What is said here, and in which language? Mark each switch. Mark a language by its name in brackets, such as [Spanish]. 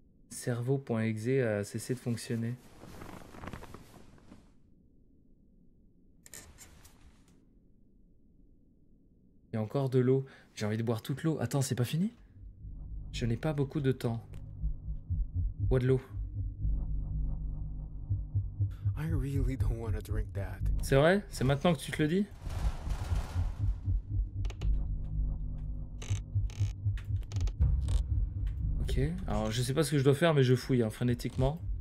[French] Cerveau.exe a cessé de fonctionner. Il y a encore de l'eau. J'ai envie de boire toute l'eau. Attends, c'est pas fini? Je n'ai pas beaucoup de temps. Bois de l'eau. [English] I really don't want to drink that. [French] C'est vrai? C'est maintenant que tu te le dis? Ok, alors je sais pas ce que je dois faire, mais je fouille hein, frénétiquement.